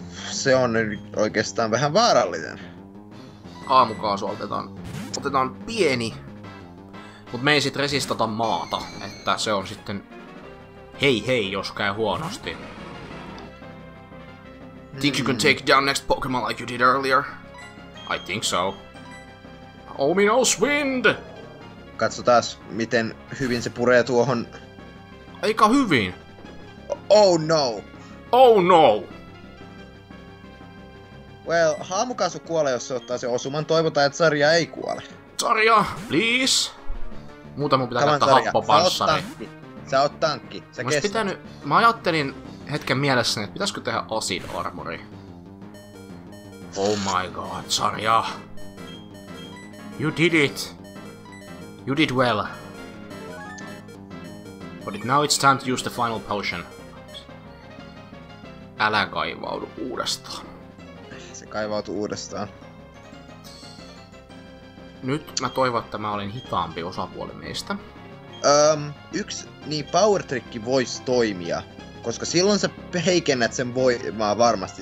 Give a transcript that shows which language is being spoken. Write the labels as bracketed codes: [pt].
[fi] Se on nyt oikeastaan vähän vaarallinen. Aamukaasu otetaan pieni, mut me ei sit resistata maata, että se on sitten hei hei, jos käy huonosti. [en] Think you can take down next Pokemon like you did earlier? I think so. Ominous Wind! [fi] Katsotaas, miten hyvin se puree tuohon. Aika hyvin. [en] Oh no! [fi] Well, Haamukasu kuolee, jos se ottaa se osuman. Toivotaan, että Sarja ei kuole. [en] Sarja, please! [fi] Muuten mun pitää käyttää happopanssari. Sä oot tankki. Sä kestät. Mä ajattelin hetken mielessäni, että pitäisikö tehdä acid armori. [en] Oh my god, Sarja. You did it. You did well. But now it's time to use the final potion. [fi] Älä kaivaudu uudestaan. Se kaivautu uudestaan. Nyt mä toivon, että mä olin hitaampi osapuoli meistä. Yksi niin power trikki voisi toimia. Koska silloin sä heikennät sen voimaa varmasti.